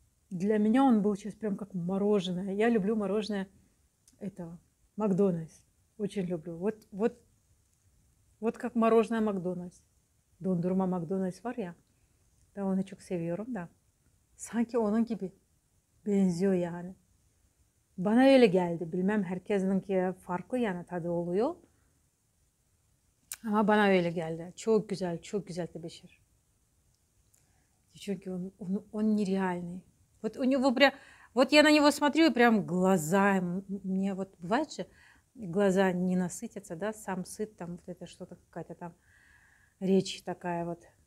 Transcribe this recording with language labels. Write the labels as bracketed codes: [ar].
[ru] Для меня он был сейчас прям как мороженое. Я люблю мороженое этого. Макдональдс. Очень люблю. Вот как мороженое Макдональдс. [tr] Дондурма Макдональдс var ya. Ben onu çok seviyorum da. Sanki onun gibi. Benziyor yani. Bana öyle geldi. Bilmem herkesinki farklı yani tadı oluyor. Ama bana öyle geldi. Çok güzel, çok güzel tebeşir. Çünkü [ru] он нереальный. Вот у него прям... Вот я на него смотрю и прям глаза... Мне вот бывает же... Глаза не насытятся, да, сам сыт, там вот это что-то, какая-то там речь такая вот.